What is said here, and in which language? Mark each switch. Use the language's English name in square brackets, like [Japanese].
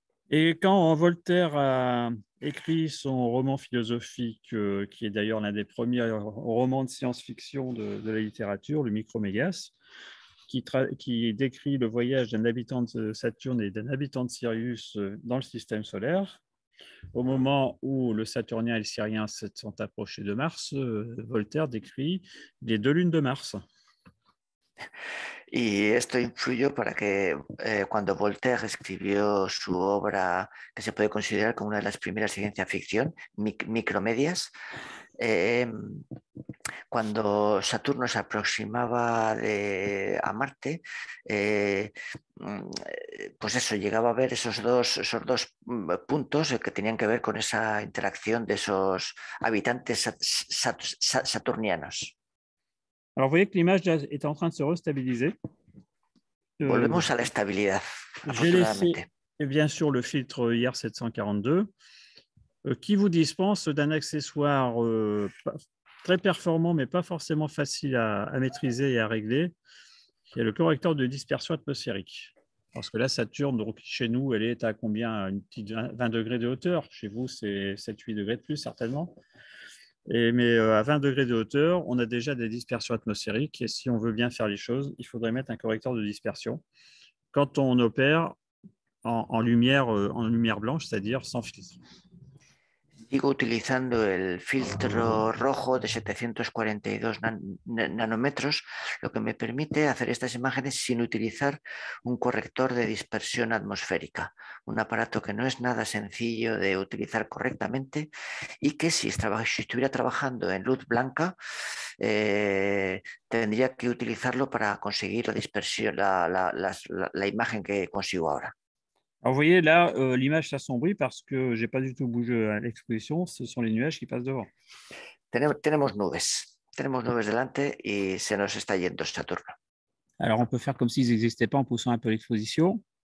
[French] Et quand Voltaire a écrit son roman philosophique, qui est d'ailleurs l'un des premiers romans de science-fiction de la littérature, le Micromégas, qui décrit le voyage d'un habitant de Saturne et d'un habitant de Sirius dans le système solaire, au moment où le Saturnien et le Sirien se sont approchés de Mars, Voltaire décrit les deux lunes de Mars. [Spanish] Y esto influyó para que cuando Voltaire escribió su obra, que se puede considerar como una de las primeras de ciencia ficción, Micromedias, cuando Saturno se aproximaba a Marte, pues eso, llegaba a ver esos dos puntos que tenían que ver con esa interacción de esos habitantes saturnianos. [French] Alors, vous voyez que l'image est en train de se restabiliser. [Spanish] Volvemos a la estabilidad. [French] J'ai laissé, bien sûr, le filtre IR742, qui vous dispense d'un accessoire très performant, mais pas forcément facile à maîtriser et à régler, qui est le correcteur de dispersion atmosphérique. Parce que là, Saturne, donc, chez nous, elle est à combien, une petite 20 degrés de hauteur. Chez vous, c'est 7-8 degrés de plus, certainement. Mais à 20 degrés de hauteur, on a déjà des dispersions atmosphériques. Et si on veut bien faire les choses, il faudrait mettre un correcteur de dispersion. Quand on opère en lumière blanche, c'est-à-dire sans filtre. [Spanish] Sigo utilizando el filtro rojo de 742 nanómetros, lo que me permite hacer estas imágenes sin utilizar un corrector de dispersión atmosférica, un aparato que no es nada sencillo de utilizar correctamente y que si estuviera trabajando en luz blanca, tendría que utilizarlo para conseguir la dispersión, la imagen que consigo ahora. [French] Alors vous voyez là, l'image s'assombrit parce que je n'ai pas du tout bougé à l'exposition. Ce sont les nuages qui passent devant. [Spanish] Tenemos nubes. Tenemos nubes delante y se nos está yendo Saturno. [French] Alors on peut faire comme s'ils n'existaient pas en poussant un peu l'exposition.